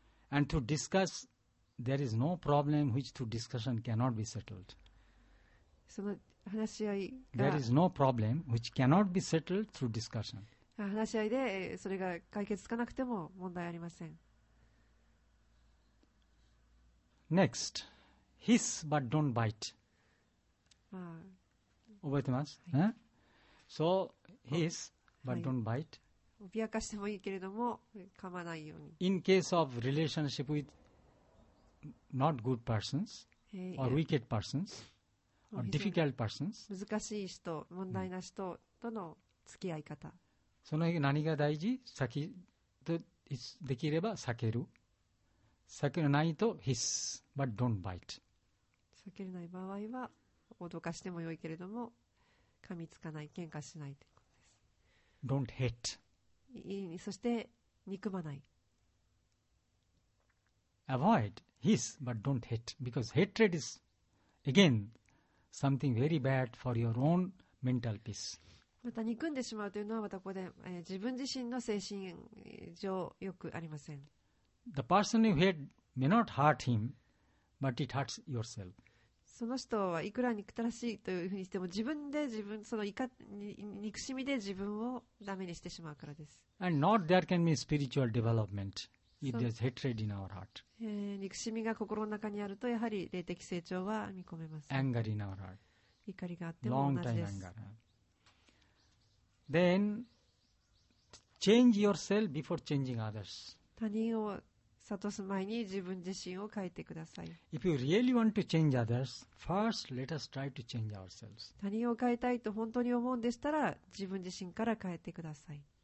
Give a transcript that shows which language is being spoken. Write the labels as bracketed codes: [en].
[en] And to discuss, there is no problem which through discussion cannot be settled. [ja] その話し合いが [en] There is no problem which cannot be settled through discussion. [ja] 話し合いでそれが解決つかなくても問題ありません。 [en] Next, hiss but don't bite. [ja] ああ覚えてます、はい、 [en] So, hiss but、 [ja] はい、 [en] don't bite. [ja] 脅かしてもいいけれども噛まないように [en] In case of relationship with not good persons or wicked persons or difficult persons [ja] 難しい人、問題な人との付き合い方その何が大事先とできれば避ける避けないと [en] hiss but don't bite [ja] 避けない場合は脅かしてもよいけれども噛みつかない、喧嘩しないということです [en] Don't hate [ja] そして憎まない [en] Avoid hiss but don't hate because hatred is again something very bad for your own mental peace [ja] また憎んでしまうというのはまたここで、自分自身の精神上よくありません [en] The person you hate may not hurt him but it hurts yourself [ja] その人はいくら憎たらしいというふうにしても自分で自分その憎しみで自分をダメにしてしまうからです [en] And not there can be spiritual development if there's hatred in our heart. [ja] 憎しみが心の中にあるとやはり霊的成長は見込めます [en] Anger in our heart. [ja] 怒りがあっても同じです [en] Long time anger. Then change yourself before changing others. [ja] 他人を悟す前に自分自身を変えてください [en] If you really want to change others, first let us try to change ourselves. [ja] 他人を変えたいと本当に思うんでしたら自分自身から変えてください